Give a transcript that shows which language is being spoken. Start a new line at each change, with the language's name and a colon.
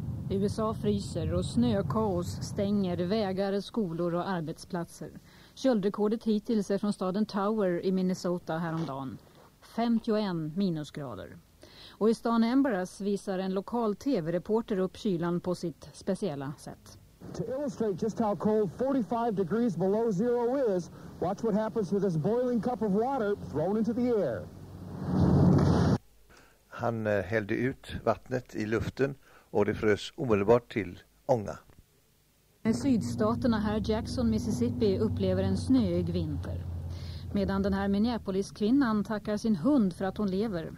Swedish: USA fryser och snökaos stänger vägar, skolor och arbetsplatser. Köldrekordet hittills är från staden Tower i Minnesota häromdagen. 51 minusgrader. Och i stan Embaras visar en lokal tv-reporter upp kylan på sitt speciella sätt.
English: To illustrate just how cold 45 degrees below zero is, watch what happens to this boiling cup of water thrown into the air.
Swedish: Han hällde ut vattnet i luften och det frös omedelbart till ånga. I sydstaterna här Jackson, Mississippi upplever en snöig vinter. Medan den här Minneapolis-kvinnan tackar sin hund för att hon lever.